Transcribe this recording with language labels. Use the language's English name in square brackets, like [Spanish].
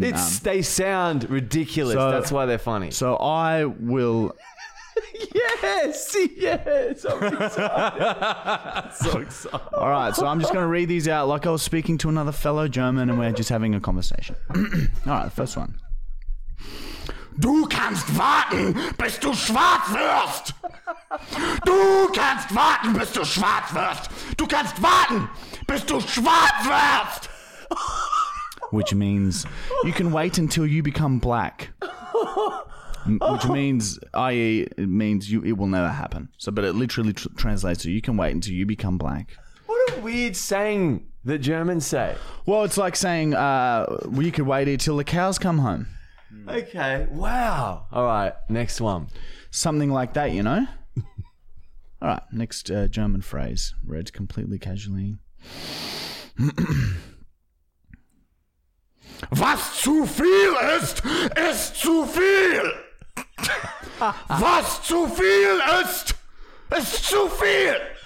[English] They sound ridiculous. So, that's why they're funny. So I will... Yes, yes, I'm excited. So excited. All right, so I'm just going to read these out like I was speaking to another fellow German and we're just having a conversation. All right, first one. [German] Du kannst warten, bis du schwarz wirst. Du kannst warten, bis du schwarz wirst. Du kannst warten, bis du schwarz wirst. [English] Which means you can wait until you become black. Which means, i.e., it means you, it will never happen. So, but it literally translates to you can wait until you become black. What a weird saying that Germans say. Well, it's like saying you can wait until the cows come home. Okay. Wow. All right. Next one. Something like that, you know? All right. Next German phrase. Read completely casually. [German] Was zu viel ist, ist zu viel. Was zu viel ist, ist zu viel.